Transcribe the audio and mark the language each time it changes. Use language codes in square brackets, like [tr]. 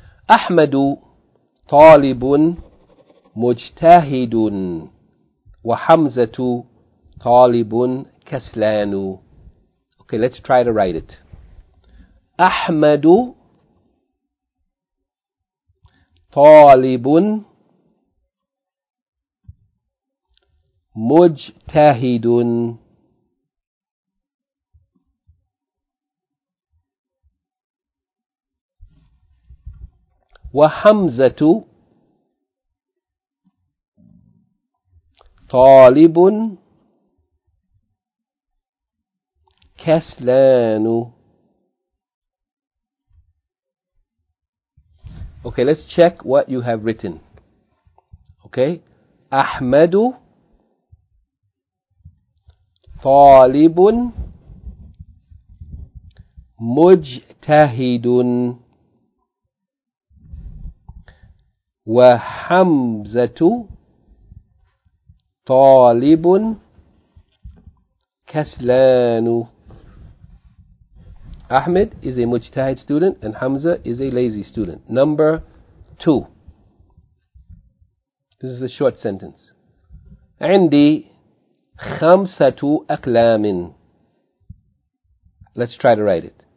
[ar] أحمد طالب مجتهد وحمزة طالب كسلان. [en] Okay, let's try to write it. [ar] أحمد طالب مجتهد وحمزة طالبٌ كسلانُ. [en] Okay, let's check what you have written. [ar] Okay, أحمدُ طالبٌ مجتهدٌ وَحَمْزَةُ طَالِبٌ كَسْلَانُ. [en] Ahmed is a mujtahid student and Hamza is a lazy student. Number two. This is a short sentence. [ar] عندي خمسة أقلام. [en] Let's try to write it.